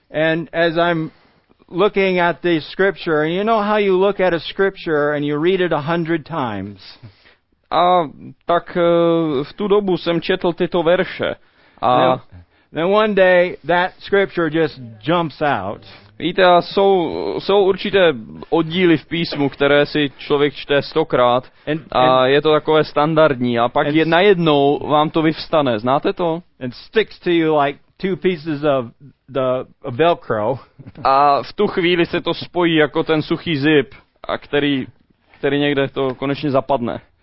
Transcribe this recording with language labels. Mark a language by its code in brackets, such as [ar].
[en] And as I'm looking at the scripture, and you know how you look at a scripture and you read it 100 times. [cs] A tak v tu dobu jsem četl tyto verše. [en] A then one day that scripture just jumps out. [cs] Víte, jsou určité oddíly v písmu, které si člověk čte 100krát a je to takové standardní a pak najednou vám to vyvstane. Znáte to? [en] And sticks to you like two pieces of the velcro. [cs] A v tu chvíli se to spojí jako ten suchý zip, a který někde to konečně zapadne.